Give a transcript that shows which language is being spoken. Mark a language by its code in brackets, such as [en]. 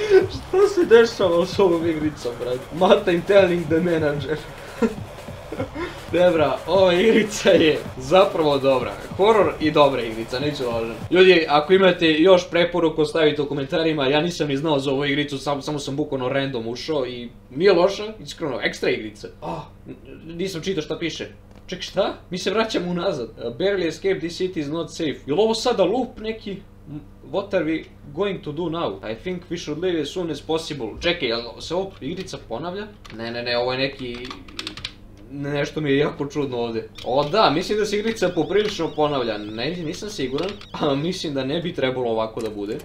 [sr] Šta se dešava s ovom igricom, brad? [en] Mat, I'm telling the manager. [sr] Debra, ova igrica je zapravo dobra. Horror i dobra igrica, neću lažem. Ljudi, ako imate još preporuku, stavite u komentarima. Ja nisam ni znao za ovu igricu, samo sam bukvalno random ušao i nije loša, iskreno, ekstra igrica. Oh, nisam čitao šta piše. Ček, šta? Mi se vraćamo unazad. [en] Barely escape, this city is not safe. [sr] Jel ovo sada loop neki? [en] What are we going to do now? I think we should leave as soon as possible. [sr] Čekaj, jel se ovo igrica ponavlja? Ne, ovo je neki... Nešto mi je jako čudno ovdje. O da, mislim da se igrica poprilično ponavlja. Ne, nisam siguran. Mislim da ne bi trebalo ovako da bude.